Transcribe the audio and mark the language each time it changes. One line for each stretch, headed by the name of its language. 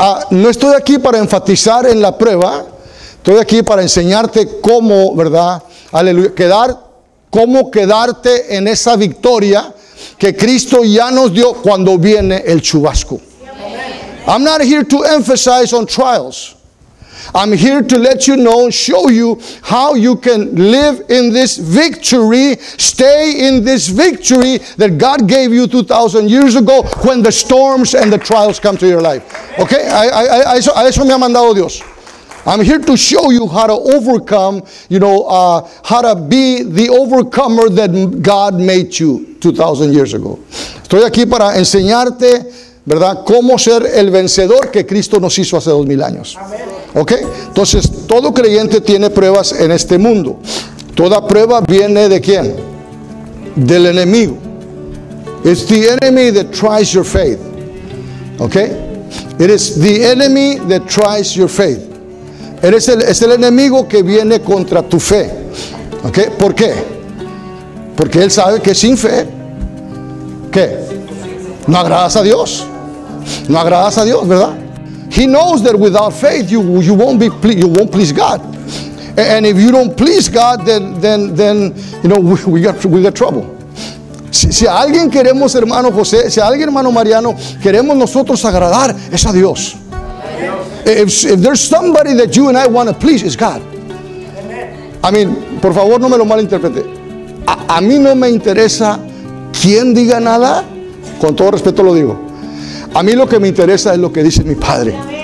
Spanish: No estoy aquí para enfatizar en la prueba. Estoy aquí para enseñarte cómo, ¿verdad? Aleluya. Cómo quedarte en esa victoria que Cristo ya nos dio cuando viene el chubasco.
English: I'm not here to emphasize on trials. I'm here to let you know, show you how you can live in this victory, stay in this victory that God gave you 2,000 years ago when the storms and the trials come to your life. Okay?
Spanish: A eso me ha mandado Dios.
English: I'm here to show you how to overcome, you know, how to be the overcomer that God made you 2,000 years ago.
Spanish: Estoy aquí para enseñarte, ¿verdad? Cómo ser el vencedor que Cristo nos hizo hace 2,000 años. ¿Ok? Entonces, todo creyente tiene pruebas en este mundo. Toda prueba viene ¿de quién? Del enemigo.
English: It's the enemy that tries your faith.
Spanish: ¿Ok?
English: It is the enemy that tries your faith.
Spanish: Es el enemigo que viene contra tu fe. ¿Ok? ¿Por qué? Porque él sabe que sin fe, ¿qué? No agradas a Dios. No agradas a Dios, ¿verdad?
English: He knows that without faith you won't please God. And if you don't please God, then you know we got trouble.
Spanish: Si alguien queremos, hermano José, si alguien, hermano Mariano, queremos nosotros agradar, es a Dios.
English: If there's somebody that you and I want to please, it's God. I mean,
Spanish: por favor, no me lo malinterprete. A mí no me interesa quién diga nada, con todo respeto lo digo. A mí lo que me interesa es lo que dice mi Padre.